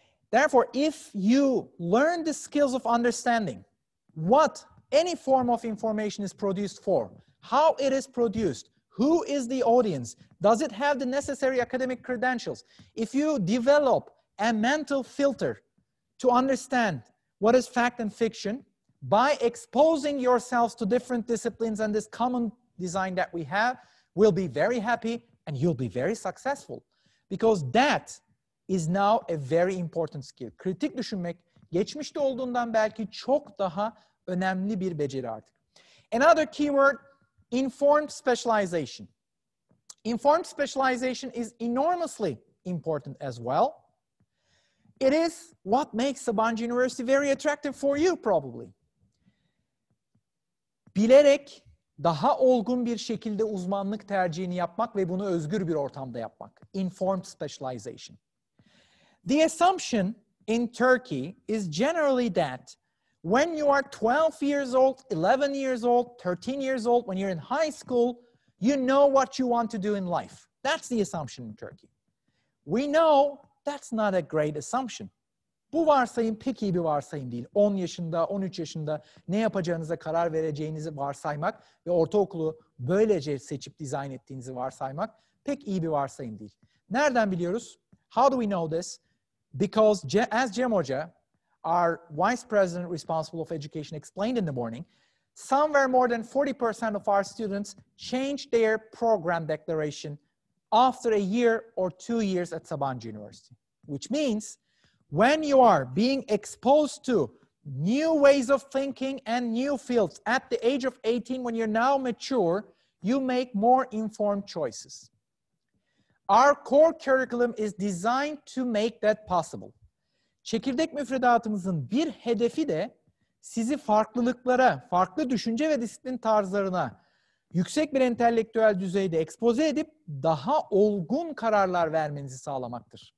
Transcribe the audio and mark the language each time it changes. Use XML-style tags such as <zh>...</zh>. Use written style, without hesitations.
<en>Therefore, if you learn the skills of understanding what any form of information is produced for, how it is produced, who is the audience, does it have the necessary academic credentials, if you develop a mental filter to understand what is fact and fiction by exposing yourselves to different disciplines and this common design that we have, we'll be very happy and you'll be very successful. Because that is now a very important skill.</en> <tr>Kritik düşünmek geçmişte olduğundan belki çok daha önemli bir beceri artık.</tr> <en>Another keyword, informed specialization. Informed specialization is enormously important as well. It is what makes Sabancı University very attractive for you probably.</en> <tr>Bilerek daha olgun bir şekilde uzmanlık tercihini yapmak ve bunu özgür bir ortamda yapmak.</tr> <en>Informed specialization. The assumption in Turkey is generally that when you are 12 years old, 11 years old, 13 years old, when you're in high school, you know what you want to do in life. That's the assumption in Turkey. We know that's not a great assumption.</en> <tr>Bu varsayım pek iyi bir varsayım değil. 10 yaşında, 13 yaşında ne yapacağınıza karar vereceğinizi varsaymak ve ortaokulu böylece seçip dizayn ettiğinizi varsaymak pek iyi bir varsayım değil. Nereden biliyoruz?</tr> <en>How do we know this? Because as Cem Hoca, our vice president responsible of education, explained in the morning, somewhere more than 40% of our students change their program declaration after a year or 2 years at Sabancı University. Which means when you are being exposed to new ways of thinking and new fields at the age of 18, when you're now mature, you make more informed choices. Our core curriculum is designed to make that possible.</en> <tr>Çekirdek müfredatımızın bir hedefi de sizi farklılıklara, farklı düşünce ve disiplin tarzlarına yüksek bir entelektüel düzeyde expose edip daha olgun kararlar vermenizi sağlamaktır.</tr>